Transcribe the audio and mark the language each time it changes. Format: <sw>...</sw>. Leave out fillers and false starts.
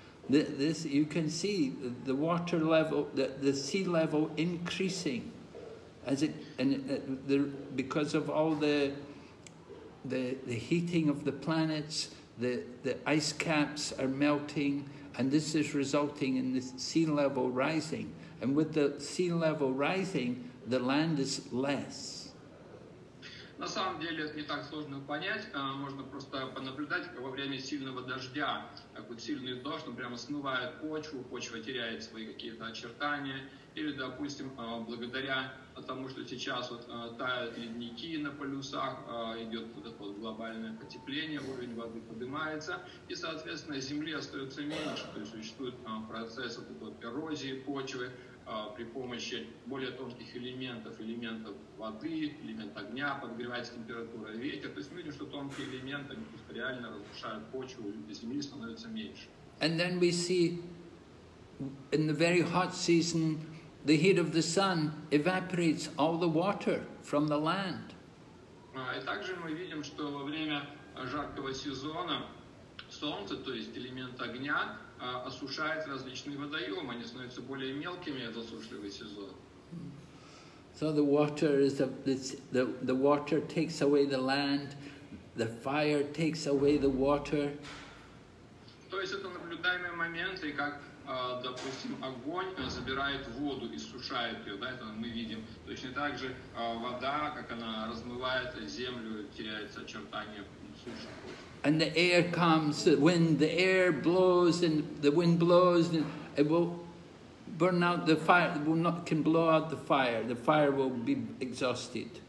<en>This, you can see the water level, the sea level increasing, as it and the because of all the heating of the planets, the ice caps are melting, and this is resulting in the sea level rising. And with the sea level rising, the land is less.</en> <ru>На самом деле это не так сложно понять, можно просто понаблюдать, как во время сильного дождя, как вот сильный дождь, он прямо смывает почву, почва теряет свои какие-то очертания, или, допустим, благодаря тому, что сейчас вот тают ледники на полюсах, идет вот это вот глобальное потепление, уровень воды поднимается, и, соответственно, Земле остается меньше, то есть существует процесс вот этой вот эрозии почвы, при помощи более тонких элементов, элементов воды, элемент огня, подогревается температура, ветер. То есть мы видим, что тонкие элементы реально разрушают почву, и земли становится меньше.</ru> <en>And then we see in the very hot season, the heat of the sun evaporates all the water from the land.</en> <ru>И также мы видим, что во время жаркого сезона солнце, то есть элемент огня, осушает различные водоемы, они становятся более мелкими в засушливый сезон.</ru> <en>So the water is the water takes away the land, the fire takes away the water.</en> <ru>То есть это наблюдаемые моменты, как, допустим, огонь забирает воду и сушает ее, да, это мы видим. Точно так же вода, как она размывает землю, теряется очертания суши.</ru> <en>And the air comes, when the air blows and the wind blows, and it will burn out the fire, it will not, can blow out the fire will be exhausted.</en>